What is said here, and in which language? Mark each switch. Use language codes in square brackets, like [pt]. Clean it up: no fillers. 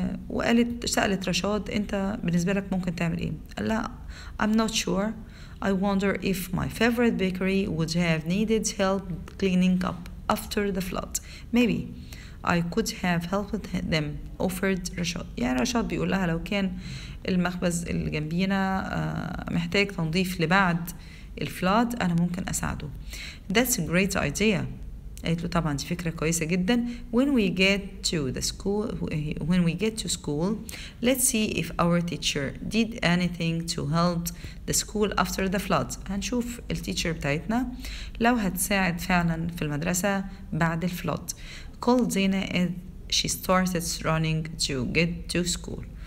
[ar] وقالت سألت رشاد أنت بالنسبة لك ممكن تعمل إيه؟ قال لا [en] I'm not sure. I wonder if my favorite bakery would have needed help cleaning up after the flood. Maybe I could have helped them, offered Rashad. [ar] يعني رشاد بيقول لها لو كان المخبز اللي جنبينا محتاج تنظيف لبعد الفلود أنا ممكن أساعده. [en] That's a great idea. [ar] قالت له طبعا دي فكرة كويسة جدا. [en] When we get to the school, when we get to school, let's see if our teacher did anything to help the school after the flood. [ar] هنشوف التيتشر بتاعتنا لو هتساعد فعلا في المدرسة بعد الفلود. [en] Called Zina and she started running to get to school.